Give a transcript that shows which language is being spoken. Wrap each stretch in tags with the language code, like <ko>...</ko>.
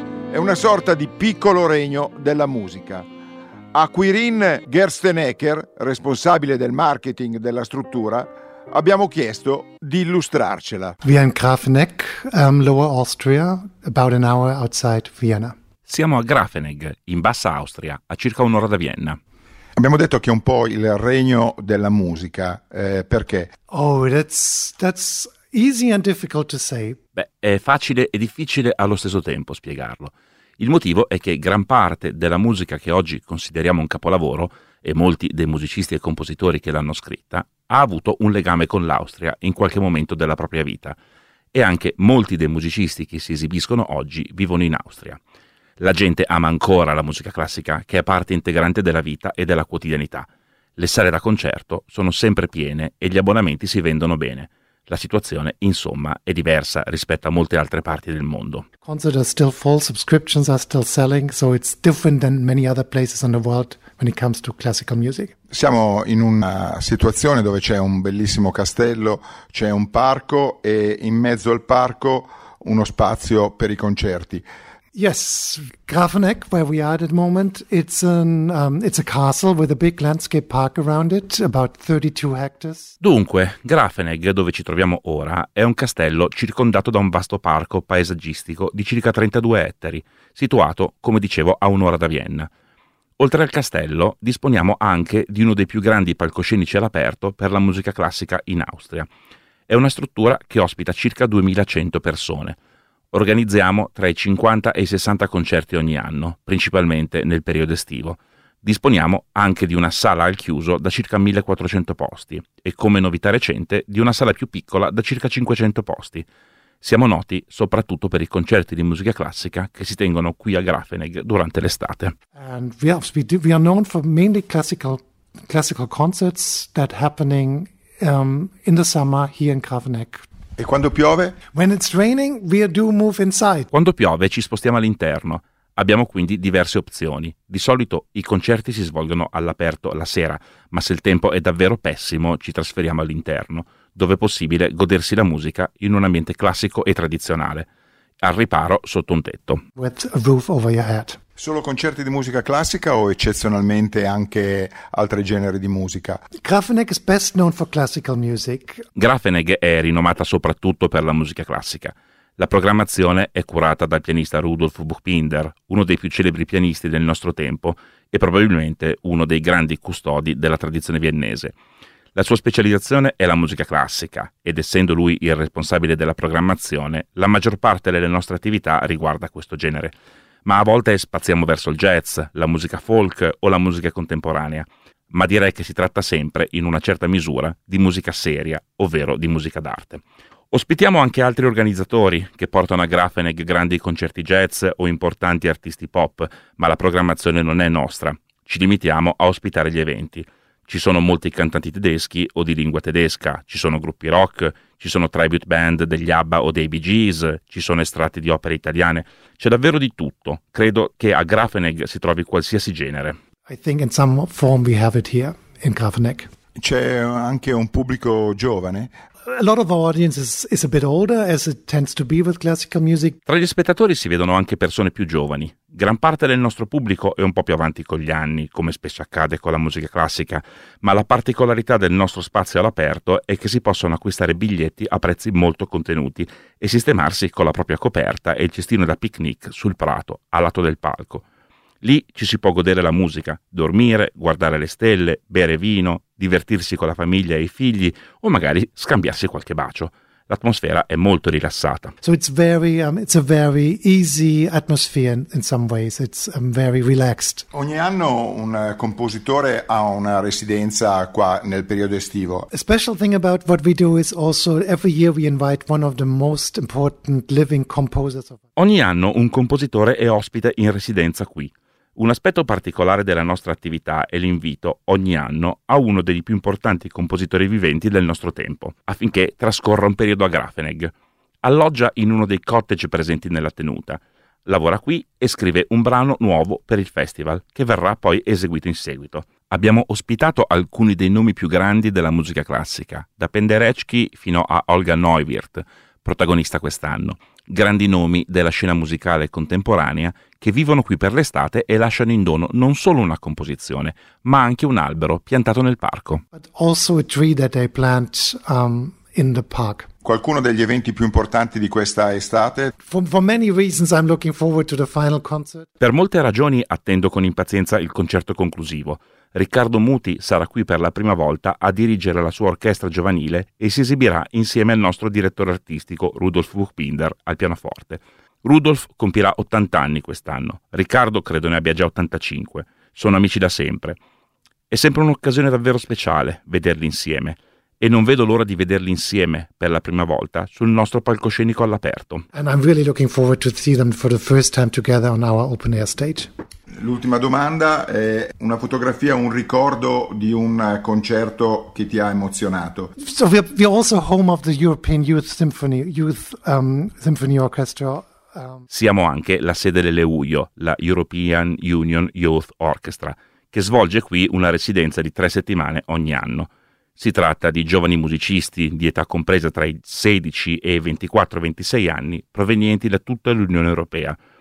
<it>È una sorta di piccolo regno della musica. A Quirin Gerstenecker, responsabile del marketing della struttura, abbiamo chiesto di illustrarcela.</it> <en>Via in Grafenegg, Lower Austria, about an hour outside Vienna.</en> <it>Siamo a Grafenegg, in Bassa Austria, a circa un'ora da Vienna. Abbiamo detto che è un po' il regno della musica. Perché?</it> <en>Oh, that's easy and difficult to say.</en> <it>È facile e difficile allo stesso tempo spiegarlo. Il motivo è che gran parte della musica che oggi consideriamo un capolavoro, e molti dei musicisti e compositori che l'hanno scritta, ha avuto un legame con l'Austria in qualche momento della propria vita. E anche molti dei musicisti che si esibiscono oggi vivono in Austria. La gente ama ancora la musica classica, che è parte integrante della vita e della quotidianità. Le sale da concerto sono sempre piene e gli abbonamenti si vendono bene. La situazione, insomma, è diversa rispetto a molte altre parti del mondo.</it> <en>Concert are still full, subscriptions are still selling, so it's different than many other places in the world when it comes to classical music.</en> <it>Siamo in una situazione dove c'è un bellissimo castello, c'è un parco e in mezzo al parco uno spazio per i concerti.</it> <en>Yes, Grafenegg, where we are at the moment, it's a castle with a big landscape park around it, about 32 hectares.</en> <it>Dunque, Grafenegg, dove ci troviamo ora, è un castello circondato da un vasto parco paesaggistico di circa 32 ettari, situato, come dicevo, a un'ora da Vienna. Oltre al castello, disponiamo anche di uno dei più grandi palcoscenici all'aperto per la musica classica in Austria. È una struttura che ospita circa 2100 persone. Organizziamo tra i 50 e i 60 concerti ogni anno, principalmente nel periodo estivo. Disponiamo anche di una sala al chiuso da circa 1400 posti e, come novità recente, di una sala più piccola da circa 500 posti. Siamo noti soprattutto per i concerti di musica classica che si tengono qui a Grafenegg durante l'estate.</it> <en>And we are known for mainly classical concerts that happening in the summer here in Grafenegg.</en> <it>E quando piove?</it> <en>When it's raining, we do move inside.</en> <it>Quando piove ci spostiamo all'interno. Abbiamo quindi diverse opzioni. Di solito i concerti si svolgono all'aperto la sera, ma se il tempo è davvero pessimo ci trasferiamo all'interno, dove è possibile godersi la musica in un ambiente classico e tradizionale, al riparo sotto un tetto.</it> <en>With a roof over your head.</en> <it>Solo concerti di musica classica o eccezionalmente anche altri generi di musica?</it> <en>Grafenegg is best known for classical music.</en> <it>Grafenegg è rinomata soprattutto per la musica classica. La programmazione è curata dal pianista Rudolf Buchbinder, uno dei più celebri pianisti del nostro tempo e probabilmente uno dei grandi custodi della tradizione viennese. La sua specializzazione è la musica classica ed essendo lui il responsabile della programmazione, la maggior parte delle nostre attività riguarda questo genere. Ma a volte spaziamo verso il jazz, la musica folk o la musica contemporanea. Ma direi che si tratta sempre, in una certa misura, di musica seria, ovvero di musica d'arte. Ospitiamo anche altri organizzatori che portano a Grafenegg grandi concerti jazz o importanti artisti pop, ma la programmazione non è nostra. Ci limitiamo a ospitare gli eventi. Ci sono molti cantanti tedeschi o di lingua tedesca, ci sono gruppi rock, ci sono tribute band degli ABBA o dei Bee Gees, ci sono estratti di opere italiane. C'è davvero di tutto. Credo che a Grafenegg si trovi qualsiasi genere.</it> <en>I think in some form we have it here in Grafenegg.</en> <it>C'è anche un pubblico giovane?</it> <en>A lot of our audience is a bit older, as it tends to be with classical music.</en> <it>Tra gli spettatori si vedono anche persone più giovani. Gran parte del nostro pubblico è un po' più avanti con gli anni, come spesso accade con la musica classica, ma la particolarità del nostro spazio all'aperto è che si possono acquistare biglietti a prezzi molto contenuti e sistemarsi con la propria coperta e il cestino da picnic sul prato, a lato del palco. Lì ci si può godere la musica, dormire, guardare le stelle, bere vino, divertirsi con la famiglia e i figli o magari scambiarsi qualche bacio. L'atmosfera è molto rilassata.</it> <en>So it's a very easy atmosphere in some ways. It's very relaxed.</en> <it>Ogni anno un compositore ha una residenza qua nel periodo estivo.</it> <en>A special thing about what we do is also every year we invite one of the most important living composers.</en> <it>Ogni anno un compositore è ospite in residenza qui. Un aspetto particolare della nostra attività è l'invito, ogni anno, a uno dei più importanti compositori viventi del nostro tempo, affinché trascorra un periodo a Grafenegg. Alloggia in uno dei cottage presenti nella tenuta. Lavora qui e scrive un brano nuovo per il festival, che verrà poi eseguito in seguito. Abbiamo ospitato alcuni dei nomi più grandi della musica classica, da Penderecki fino a Olga Neuwirth, protagonista quest'anno. Grandi nomi della scena musicale contemporanea che vivono qui per l'estate e lasciano in dono non solo una composizione, ma anche un albero piantato nel parco.</it> <en>But also a tree that they plant, in the park.</en> <it>Qualcuno degli eventi più importanti di questa estate?</it> <en>For many reasons I'm looking forward to the final concert.</en> <it>Per molte ragioni attendo con impazienza il concerto conclusivo. Riccardo Muti sarà qui per la prima volta a dirigere la sua orchestra giovanile e si esibirà insieme al nostro direttore artistico Rudolf Buchbinder al pianoforte. Rudolf compirà 80 anni quest'anno, Riccardo credo ne abbia già 85, sono amici da sempre. È sempre un'occasione davvero speciale vederli insieme e non vedo l'ora di vederli insieme per la prima volta sul nostro palcoscenico all'aperto.</it> <en>And I'm really looking forward to see them for the first time together on our open air stage.</en> <it>L'ultima domanda è una fotografia, un ricordo di un concerto che ti ha emozionato.</it> <en>So we're also home of the European Youth Symphony Orchestra.</en> <it>Siamo anche la sede dell'EUYO, la European Union Youth Orchestra, che svolge qui una residenza di 3 settimane ogni anno. Si tratta di giovani musicisti di età compresa tra i 16 e i 24-26 anni provenienti da tutta l'Unione Europea.</it>